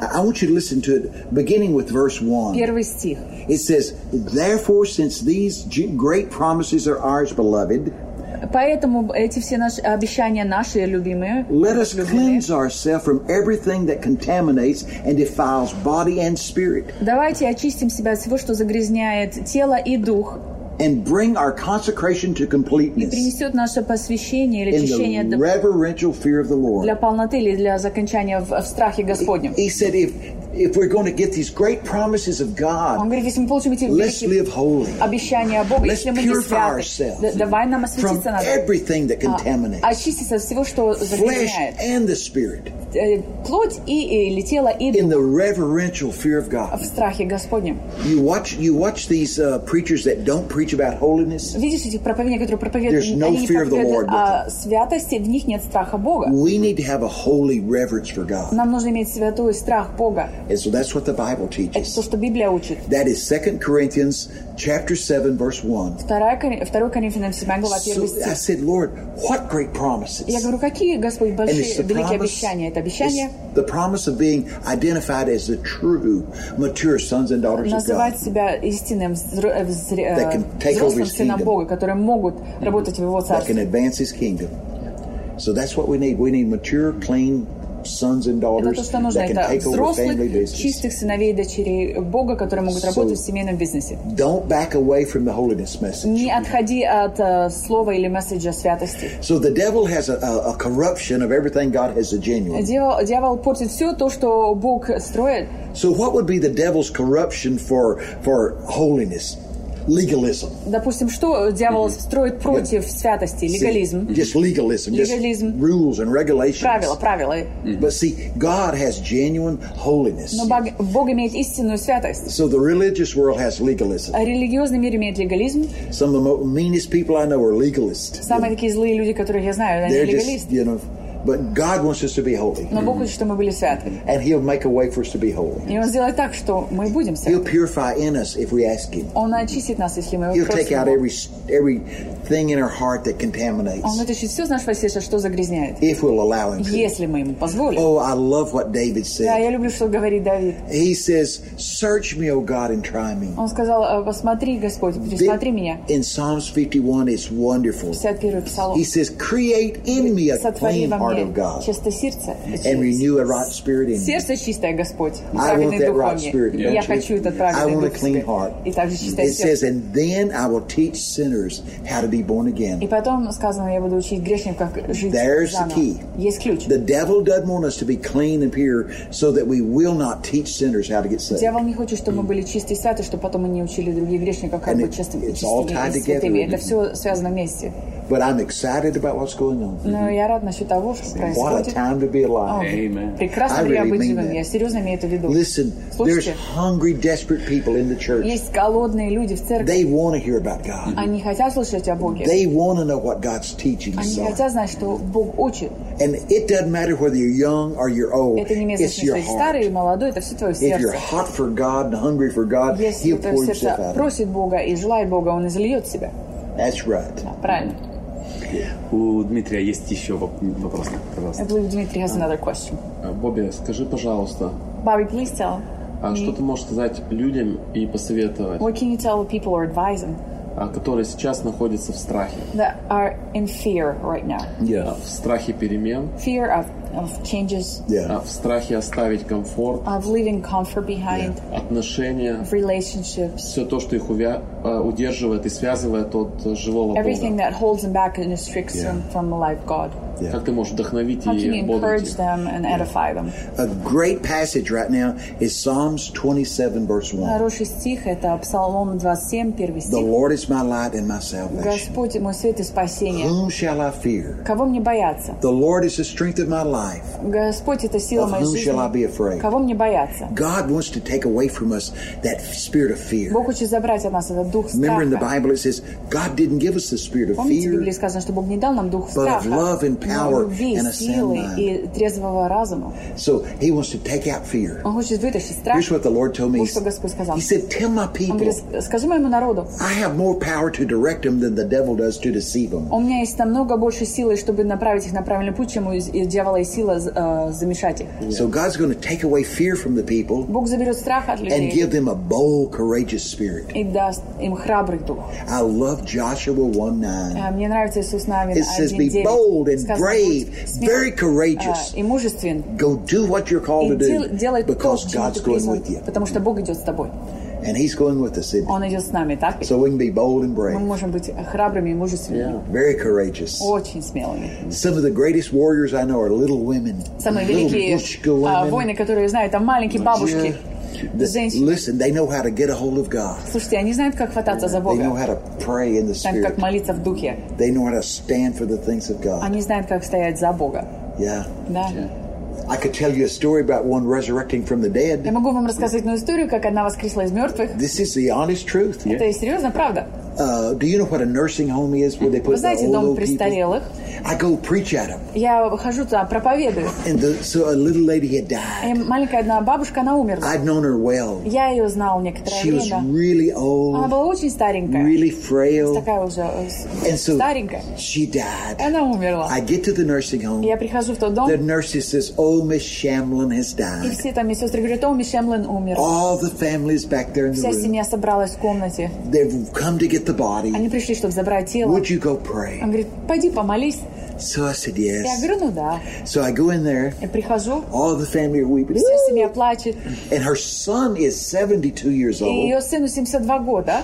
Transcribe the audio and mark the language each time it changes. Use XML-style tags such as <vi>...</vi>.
<en>I want you to listen to it, beginning with verse 1.</en> <ru>Первый стих.</ru> <en>It says, "Therefore, since these great promises are ours, beloved."</en> <ru>Поэтому эти все наши обещания наши любимые.</ru> <en>Let us cleanse ourselves from everything that contaminates and defiles body and spirit.</en> <ru>Давайте очистим себя от всего, что загрязняет тело и дух.</ru> <en>And bring our consecration to completeness.</en> <ru>И принесет наше посвящение или очищение до</ru> <en>reverential fear of the Lord.</en> <ru>Для полноты или для закончания в страхе Господнем.</ru> <en>He said, if we're going to get these great promises of God,</en> <ru>он говорит, если мы получим эти великие обещания Бога,</ru> <en>let's</en> <ru>если мы не святы, давай нам осветиться надо.</ru> <en>Everything that contaminates.</en> <ru>Очиститься от всего, что загрязняет.</ru> <en>Flesh and the spirit.</en> <ru>Плоть и или тело и дух.</ru> <en>In the reverential fear of God.</en> <ru>В страхе Господнем.</ru> <en>You watch these preachers that don't preach about holiness.</en> <ru>Видишь этих проповедников, которые проповедуют о святости, в них нет страха Бога.</ru> <en>We need to have a holy reverence for God.</en> <ru>Нам нужно иметь святой страх Бога.</ru> <en>And so that's what the Bible teaches.</en> <ru>Это то, что Библия учит.</ru> <en>That is 2 Corinthians chapter 7, verse 1.</en> <ru>2 Коринфянам 7, глава 1 стих.</ru> <en>I said, Lord, what great promises.</en> <ru>Я говорю, какие, Господь, большие, великие обещания. Это обещание.</ru> <en>It's the promise of being identified as the true, mature sons and daughters of God.</en> <ru>Называть себя истинным, взрослым сыном Бога, которые могут работать в Его царстве.</ru> <en>That can advance His kingdom. So that's what we need. We need mature, clean sons and daughters</en> <ru>это то,</ru> <en>that can take over family business.</en> <ru>Чистых сыновей и дочерей Бога, которые могут работать в семейном бизнесе.</ru> <en>Don't back away from the holiness message.</en> <ru>Не отходи от слова или месседжа святости.</ru> <en>So the devil has a corruption of everything God has a genuine.</en> <ru>Дьявол портит все то, что Бог строит.</ru> <en>So what would be the devil's corruption for holiness? Legalism.</en> <ru>Допустим, что дьявол строит против святости? Легализм.</ru> <en>Just legalism.</en> <ru>Легализм.</ru> <en>Just rules and regulations.</en> <ru>Правила, правила.</ru> <en>But see, God has genuine holiness.</en> <ru>Но Бог имеет истинную святость.</ru> <en>So the religious world has legalism.</en> <ru>А религиозный мир имеет легализм.</ru> <en>Some of the meanest people I know are legalists.</en> <ru>Самые такие злые люди, которых я знаю, они легалисты.</ru> <en>You know, but God wants us to be holy.</en> <ru>Но Бог хочет, чтобы мы были святы.</ru> <en>And He'll make a way for us to be holy.</en> <ru>И Он сделает так, что мы будем святы.</ru> <en>He'll purify in us if we ask Him.</en> <ru>Он очистит нас, если мы просим Его.</ru> <en>He'll take out everything in our heart that contaminates.</en> <ru>Он вытащит все из нашего сердца, что загрязняет.</ru> <en>If we'll allow Him.</en> <ru>Если мы ему позволим.</ru> <en>Oh, I love what David said.</en> <ru>Да, я люблю, что говорит Давид.</ru> <en>He says, "Search me, O God, and try me."</en> <ru>Он сказал, посмотри, Господь, посмотри меня.</ru> <en>In Psalms 51, it's wonderful. He says, "Create in me a clean heart."</en> <ru>Чистое сердце.</ru> <en>And renew a right spirit in me.</en> <ru>Сердце чистое, Господь.</ru> <en>I want that right spirit.</en> <ru>Я хочу этот правильный дух.</ru> <en>I want a clean heart.</en> <ru>И также чистое сердце.</ru> <en>It says, and then I will teach sinners how to be born again.</en> <ru>И потом сказано, я буду учить грешников, как жить.</ru> <en>There's the key.</en> <ru>Есть ключ.</ru> <en>The devil doesn't want us to be clean and pure, so that we will not teach sinners how to get saved.</en> <ru>Дьявол не хочет, чтобы мы были чисты и святы, чтобы потом мы не учили других грешников, как быть чистыми и святыми. Это все связано вместе.</ru> <en>But I'm excited about what's going on.</en> <ru>Но я рад насчет того,</ru> <en>What a time to be alive.</en> <ru>Прекрасно ли я быть живым? Я серьезно имею это в виду.</ru> <en>Listen, there's hungry, desperate people in the church.</en> <ru>Есть голодные люди в церкви.</ru> <en>They want to hear about God.</en> <ru>Они хотят слышать о Боге.</ru> <en>They want to know what God's teaching.</en> <ru>Они хотят знать, что Бог учит.</ru> <en>And it doesn't matter whether you're young or you're old.</en> <ru>Это не имеет значения, старый или молодой. Это все твое сердце.</ru> <en>If you're hot for God and hungry for God, He'll pour Himself out.</en> <ru>Если твое сердце просит Бога и желает Бога, Он изольет себя.</ru> <en>That's right.</en> <ru>Правильно. У Дмитрия есть еще вопрос.</ru> <en>I believe Dmitry has another question.</en> <ru>Bobby, скажи, пожалуйста.</ru> <en>Bobby, please tell.</en> <ru>Что ты можешь сказать людям и посоветовать?</ru> <en>What can you tell people or advise them?</en> <ru>Которые сейчас находятся в страхе.</ru> <en>That are in fear right now. Yeah.</en> <ru>В страхе перемен.</ru> <en>Fear of changes. Yeah.</en> <ru>В страхе оставить комфорт.</ru> <en>Of leaving comfort behind. Yeah.</en> <ru>Отношения.</ru> <en>Of relationships.</en> <ru>Все то, что их удерживает и связывает от живого Бога.</ru> <en>Everything that holds them back and restricts them from the life God. Yeah.</en> <ru>Как ты можешь вдохновить</ru> <en>How</en> <ru>и ободрить их?</ru> <en>Edify them? A great passage right now is Psalms 27, verse 1.</en> <ru>Хороший стих – это Псалом 27, первый стих.</ru> <en>The Lord is my light and my salvation.</en> <ru>Господь – мой свет и спасение.</ru> <en>Whom shall I fear?</en> <ru>Кого мне бояться?</ru> <en>The Lord is the strength of my life.</en> <ru>Господь – это сила моей жизни.</ru> <en>Of whom shall I be afraid?</en> <ru>Кого мне бояться?</ru> <en>God wants to take away from us that spirit of fear.</en> <ru>Бог хочет забрать от нас этот дух страха.</ru> <en>Remember in the Bible it says, God didn't give us the spirit of fear.</en> <ru>Помните, в Библии сказано, что Бог не дал нам дух страха.</ru> <en>But of love and power and a sound mind. So he wants to take out fear.</en> <ru>Он хочет вытащить страх.</ru> <en>Here's what the Lord told me.</en> <ru>Вот что Господь сказал.</ru> <en>He said, tell my people.</en> <ru>Он говорит, скажи моему народу.</ru> <en>I have more power to direct them than the devil does to deceive them.</en> <ru>У меня есть намного больше силы, чтобы направить их на правильный путь, чем у дьявола есть сила замешать их.</ru> <en>So God's going to take away fear from the people.</en> <ru>Бог заберет страх от людей.</ru> <en>And give them a bold, courageous spirit.</en> <ru>И даст им храбрый дух.</ru> <en>I love Joshua 1:9.</en> <ru>Мне нравится Иисус Навин.</ru> <en>It says, be bold and brave, very courageous. Go do what you're called to do because God's going with you.</en> <ru>Потому что Бог идет с тобой.</ru> <en>And He's going with us.</en> <ru>Он идет с нами, так?</ru> <en>So we can be bold and brave.</en> <ru>Мы можем быть храбрыми и мужественными.</ru> <en>Yeah. Very courageous.</en> <ru>Очень смелыми.</ru> <en>Some of the greatest warriors I know are little women.</en> <ru>Самые великие воины, которые я знаю, это маленькие бабушки.</ru> <en>Listen, they know how to get a hold of God.</en> <ru>Слушайте, они знают, как хвататься за Бога.</ru> <en>They know how to pray in the Spirit.</en> <ru>Как молиться в духе.</ru> <en>They know how to stand for the things of God.</en> <ru>Они знают, как стоять за Бога.</ru> <en>Yeah.</en> <ru>Да.</ru> <en>I could tell you a story about one resurrecting from the dead.</en> <ru>Я могу вам рассказать одну историю, как одна воскресла из мертвых.</ru> <en>This is the honest truth.</en> <ru>Это серьезно, правда?</ru> <en>Do you know what a nursing home is where they put</en> <ru>Вы знаете,</ru> <en>the old</en> <ru>дом престарелых?</ru> <en>I go preach at them.</en> <ru>Я хожу туда, проповедую.</ru> <en>And so a little lady had died.</en> <ru>И маленькая одна бабушка, она умерла.</ru> <en>I'd known her well.</en> <ru>Я ее знал некоторое</ru> <en>She</en> <ru>время.</ru> <en>She was really old.</en> <ru>Она была очень старенькая.</ru> <en>Really frail.</en> <ru>Такая уже</ru> <en>And so</en> <ru>старенькая.</ru> <en>She died.</en> <ru>Она умерла.</ru> <en>I get to the nursing home.</en> <ru>Я прихожу в тот дом.</ru> <en>The nurse says, "Oh, Miss Shamlin has died."</en> <ru>И все там медсестры говорят, "Oh, Miss Shamlin умерла."</ru> <en>All the family is back there in the room.</en> <ru>Вся семья собралась в комнате.</ru> <en>They've come to get the body.</en> <ru>Они пришли, чтобы забрать тело.</ru> <en>Would you go pray?</en> <ru>Он говорит, пойди помолись.</ru> <en>So I said yes.</en> <ru>Я говорю, ну да.</ru> <en>So I go in there.</en> <ru>Я прихожу.</ru> <en>All the family are weeping.</en> <ru>Вся семья плачет.</ru> <en>And her son is 72 years old.</en> <ru>И ее сыну 72 года.</ru>